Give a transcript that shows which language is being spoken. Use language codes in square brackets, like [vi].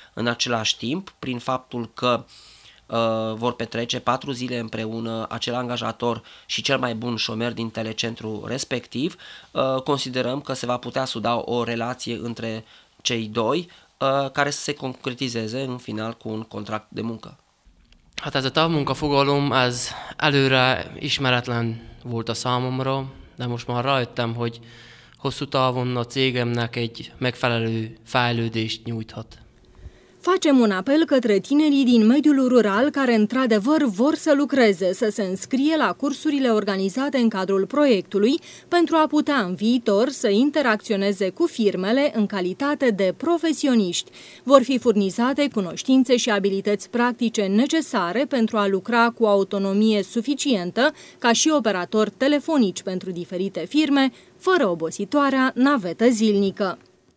[ro] În același timp, prin faptul că vor petrece 4 zile împreună acel angajator și cel mai bun șomer din telecentru respectiv, considerăm că se va putea suda o relație între cei doi care să se concretizeze în final cu un contract de muncă. [hu] Hát ez a tavmunkafogalom, ez előre ismeretlen volt a számomra, de most már rájöttem, hogy hosszú távon a cégemnek egy megfelelő fejlődést nyújthat. [ro] Facem un apel către tinerii din mediul rural care într-adevăr vor să lucreze, să se înscrie la cursurile organizate în cadrul proiectului pentru a putea în viitor să interacționeze cu firmele în calitate de profesioniști. Vor fi furnizate cunoștințe și abilități practice necesare pentru a lucra cu autonomie suficientă ca și operatori telefonici pentru diferite firme, fără obositoarea navetă zilnică.